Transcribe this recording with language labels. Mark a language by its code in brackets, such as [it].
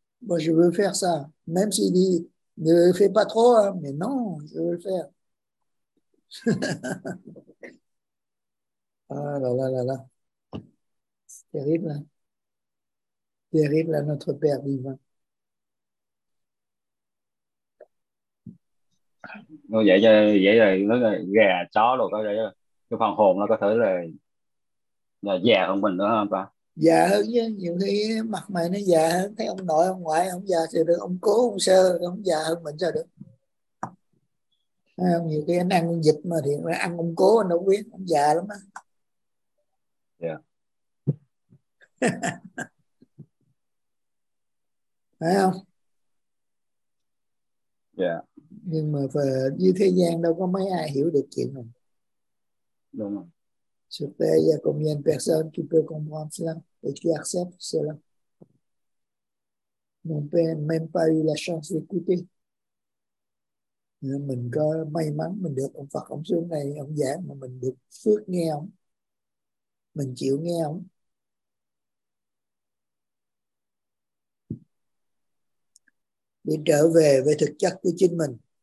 [fr] Moi, je veux faire ça. Même s'il dit, ne le fais pas trop, hein, mais non, je veux le faire. Ah là là là là. C'est terrible, hein? Terrible à notre Père divin. [vi] Vậy là nó là gà chó rồi có vậy, cái phần hồn nó có thể là già hơn mình nữa không ta? Già hơn chứ, nhiều khi mặt mày nó già hơn, thấy ông nội ông ngoại ông già thì được, ông cố ông sơ ông già hơn mình sao được. À, nhiều khi anh ăn con vịt mà thì ăn ông cố anh đâu biết, ông già lắm á. Yeah. Phải không? Yeah. Nhưng mà về như thế gian đâu có mấy ai hiểu được chuyện này. Đúng rồi. Sự tế và công nhân [fr] personne qui peut comprendre cela et qui accepte cela. Mon père n'a même pas eu la chance d'écouter. [vi] Nên mình có may mắn mình được ông Phật ông xuống này ông giảng mà mình được phước nghe ông. Mình chịu nghe ông. Để trở về thực chất của chính mình.